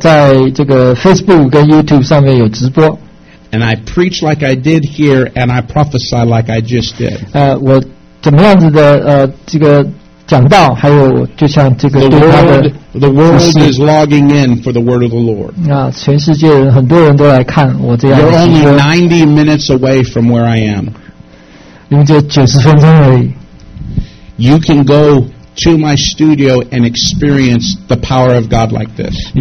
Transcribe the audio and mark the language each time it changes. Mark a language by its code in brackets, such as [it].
[zh] 我们在那个礼拜四的晚上呢，在这个Facebook跟YouTube上面有直播。 [en] And I preach like I did here, and I prophesy like I just did. [zh] 我怎么样子的这个讲道，还有就像这个多的。 [en] The world is logging in for the word of the Lord. [zh] 那全世界人很多人都来看我这样。 [en] You're only 90 minutes away from where I am. [zh] 你就90分钟而已。 [en] You can go to my studio and experience the power of God like this.